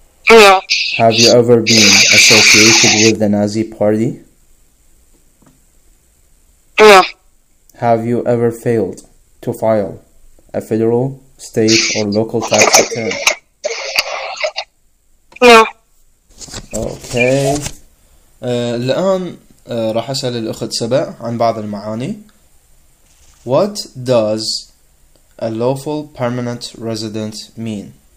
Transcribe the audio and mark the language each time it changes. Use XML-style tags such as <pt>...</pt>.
<en>No. Have you ever been associated with the Nazi Party? No. Have you ever failed to file a federal, state, or local tax return? No. Okay.</en> <ar>الآن راح أسأل الأخت سبع عن بعض المعاني.</ar> <en>What does a lawful permanent resident mean?</en>